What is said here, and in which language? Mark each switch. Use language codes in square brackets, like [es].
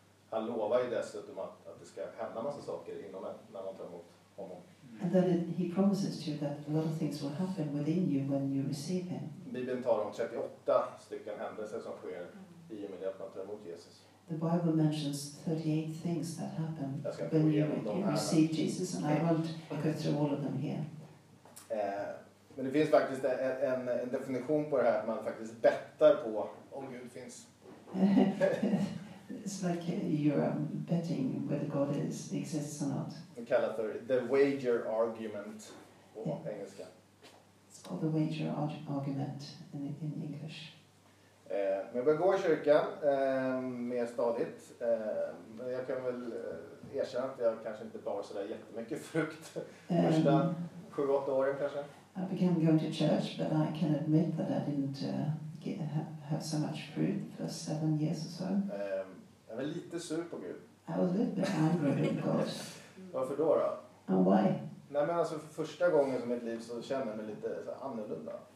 [sv] Han lovar ju dessutom att det ska hända massa saker inom en när man tar emot honom. [en] And then he promises to you that a lot of things will happen within you when you receive him. [sv] Bibeln talar om 38 stycken händelser som sker i och med att man tar emot Jesus. [en] The Bible mentions 38 things that happen when you receive Jesus, and I won't go through all of them here. [sv] Men det finns faktiskt en definition på det här att man faktiskt bettar på om Gud finns. [en] It's like you're betting whether God is, exists or not. [sv] Det kallas för [en] the wager argument [sv] på engelska. [en] It's called the wager argument in English. [sv] Men jag börjar gå i kyrkan mer stadigt. Men jag kan väl erkänna att jag kanske inte bar så där jättemycket frukt första 7-8 åren kanske. [en] I began going to church, but I can admit that I didn't have so much fruit for 7 years or so. [sv] Jag var lite sur på Gud. [en] I was a little bit angry with God. [sv] Varför då då? [en] And why? [sv] Nej, men alltså för första gången i mitt liv så känner jag mig lite så annorlunda.